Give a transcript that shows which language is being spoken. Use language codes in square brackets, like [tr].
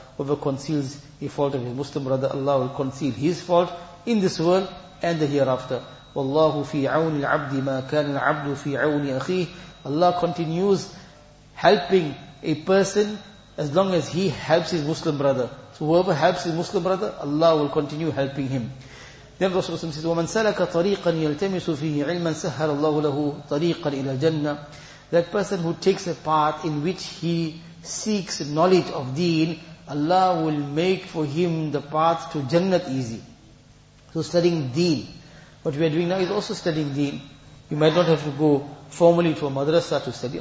[en] Whoever conceals a fault of his Muslim brother, Allah will conceal his fault in this world and the hereafter. [ar] وَاللَّهُ فِي عَوْنِ الْعَبْدِ مَا كَانَ الْعَبْدُ فِي عَوْنِ أَخِيهِ. [en] Allah continues helping a person as long as he helps his Muslim brother. So whoever helps his Muslim brother, Allah will continue helping him. Then Rasulullah says, [ar] وَمَنْ سَلَكَ طَرِيقًا يَلْتَمِسُ فِيهِ عِلْمًا سَهَّرَ اللَّهُ لَهُ طَرِيقًا إِلَى الْجَنَّةِ. [en] That person who takes a path in which he seeks knowledge of deen, Allah will make for him the path to Jannah easy. So studying deen. What we are doing now is also studying deen. You might not have to go formally to a madrasa to study.